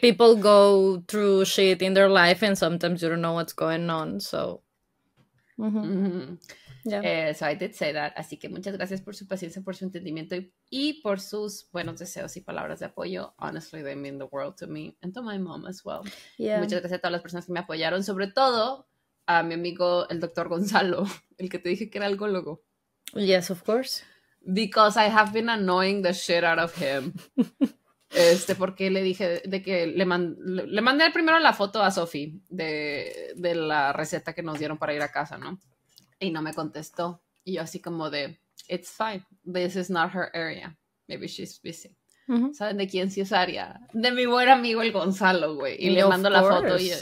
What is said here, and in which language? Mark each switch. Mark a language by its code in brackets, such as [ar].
[en] People go through shit in their life and sometimes you don't know what's going on, so. [es] Mm-hmm. Mm-hmm. Yeah. [en] So I did say that, [es] así que muchas gracias por su paciencia, por su entendimiento y por sus buenos deseos y palabras de apoyo. [en] Honestly, they mean the world to me and to my mom as well. Yeah. [es] Muchas gracias a todas las personas que me apoyaron, sobre todo a mi amigo el doctor Gonzalo, el que te dije que era algólogo. [en] Yes, of course. Because I have been annoying the shit out of him. [es] porque le dije de que le mandé primero la foto a Sofi de la receta que nos dieron para ir a casa, ¿no? Y no me contestó. Y yo así como de, [en] it's fine. This is not her area. Maybe she's busy. Mm-hmm. [es] ¿Saben de quién sí es área? De mi buen amigo el Gonzalo, güey. Y le mando la foto.